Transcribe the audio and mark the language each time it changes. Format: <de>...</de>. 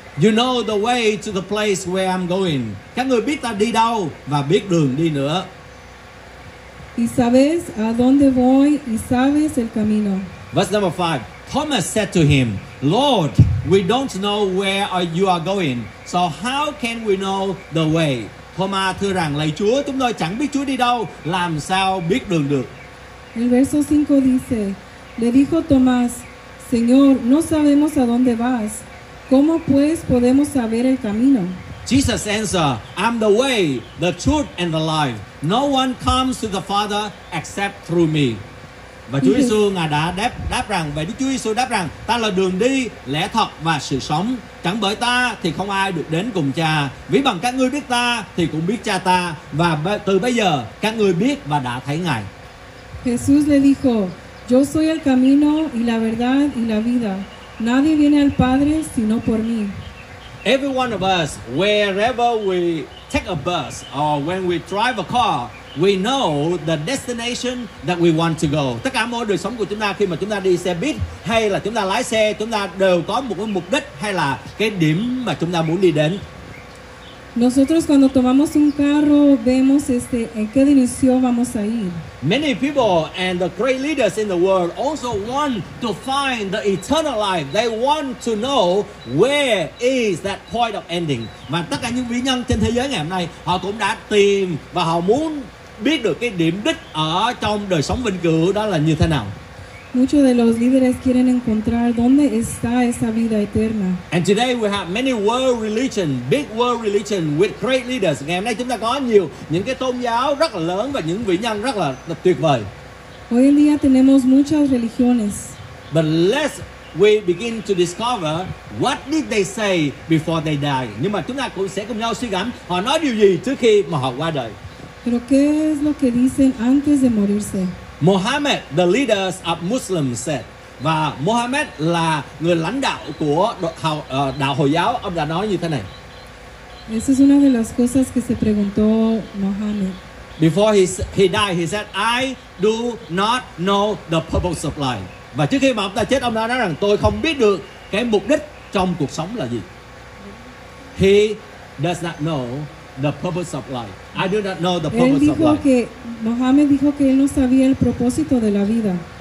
<en>You know the way to the place where I'm going.</en> <vi>Các ngươi biết ta đi đâu và biết đường đi nữa.</vi> <es>Y sabes a dónde voy y sabes el camino.</es> <en>Verse number 5. Thomas said to him, Lord, we don't know where you are going, so how can we know the way?</en> <vi>Thomas thưa rằng, lạy Chúa, chúng tôi chẳng biết Chúa đi đâu, làm sao biết đường được.</vi> <es>El verso 5 dice, le dijo Tomás, Señor, no sabemos a dónde vas. ¿Cómo pues podemos saber el camino?</es> <en>Jesus answered, I'm the way, the truth, and the life. No one comes to the Father except through me.</en> <vi>Và Chúa Giêsu ngài đã đáp rằng, vậy Đức Chúa Giêsu đáp rằng, ta là đường đi, lẽ thật và sự sống. Chẳng bởi ta thì không ai được đến cùng cha. Ví bằng các ngươi biết ta thì cũng biết cha ta. Và từ bây giờ các ngươi biết và đã thấy ngài.</vi> <es>Jesús le dijo, yo soy el camino y la verdad y la vida. Nadie viene al Padre sino por mí.</es> <en>Every one of us, wherever we take a bus or when we drive a car, we know the destination that we want to go.</en> <vi>Tất cả mỗi đời sống của chúng ta khi mà chúng ta đi xe buýt hay là chúng ta lái xe, chúng ta đều có một mục đích hay là cái điểm mà chúng ta muốn đi đến.</vi> <es>Nosotros cuando tomamos un carro vemos en qué dirección vamos a ir.</es> <en>Many people and the great leaders in the world also want to find the eternal life. They want to know where is that point of ending.</en> <vi>Và tất cả những vị nhân trên thế giới ngày hôm nay họ cũng đã tìm và họ muốn biết được cái điểm đích ở trong đời sống vĩnh cửu đó là như thế nào.</vi> <es>Muchos de los líderes quieren encontrar dónde está esa vida eterna.</es> <en>And today we have many world religion, big world religion with great leaders.</en> <vi>Ngày hôm nay chúng ta có nhiều những cái tôn giáo rất là lớn và những vị nhân rất là tuyệt vời.</vi> <es>Hoy en día tenemos muchas religiones.</es> <en>But let's we begin to discover what did they say before they die.</en> <vi>Nhưng mà chúng ta cũng sẽ cùng nhau suy gẫm họ nói điều gì trước khi mà họ qua đời.</vi> <es>Pero qué es lo que dicen antes de morirse.</es> <en>Muhammad, the leaders of Muslims said,</en> <vi>và Muhammad là người lãnh đạo của đạo Hồi giáo, ông đã nói như thế này.</vi> <es>Esa es una de las cosas que se preguntó Muhammad.</es> <en>Before he died, he said, I do not know the purpose of life.</en> <vi>Và trước khi mà ông ta chết, ông đã nói rằng tôi không biết được cái mục đích trong cuộc sống là gì.</vi> <en>He does not know the purpose of life. I do not know the purpose of life.</en> <es>Que Mohammed dijo que él no sabía el propósito de la vida.</es>